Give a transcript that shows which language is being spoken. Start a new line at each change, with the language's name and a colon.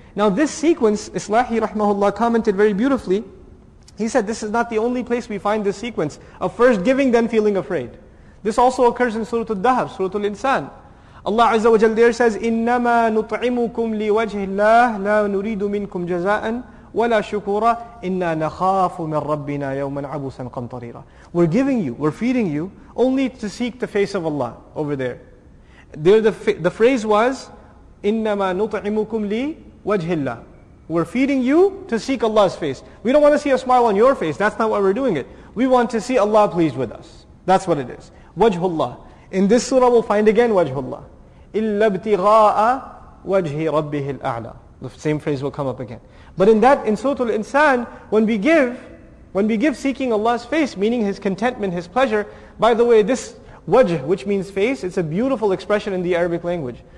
English: Now this sequence, Islahi rahmahullah commented very beautifully. He said, this is not the only place we find this sequence of first giving, then feeling afraid. This also occurs in Surah Al-Dahr, Surah Al-Insan.
Arabic: Allah Azza wa Jalla
English: there says,
Arabic: إِنَّمَا نُطْعِمُكُمْ لِوَجْهِ اللَّهِ لَا نُرِيدُ مِنْكُمْ جَزَاءً وَلَا شُكُورًا إِنَّا نَخَافُ مِنْ رَبِّنَا يَوْمًا عَبُوسًا قَمْطَرِيرًا.
English: We're giving you, we're feeding you, only to seek the face of Allah over there. The phrase was,
Arabic: إِنَّمَا نُطْعِمُكُمْ لِوَجْهِ اللَّهِ.
English: We're feeding you to seek Allah's face. We don't want to see a smile on your face, that's not why we're doing it. We want to see Allah pleased with us. That's what it is.
Arabic: وَجْهُ اللَّهِ.
English: In this surah we'll find again
Arabic: وَجْهُ اللَّهِ. إِلَّا ابْتِغَاءَ وَجْهِ رَبِّهِ الْأَعْلَى.
English: The same phrase will come up again. But in Surah Al-Insan, when we give seeking Allah's face, meaning His contentment, His pleasure, by the way, this wajh, which means face, it's a beautiful expression in the Arabic language.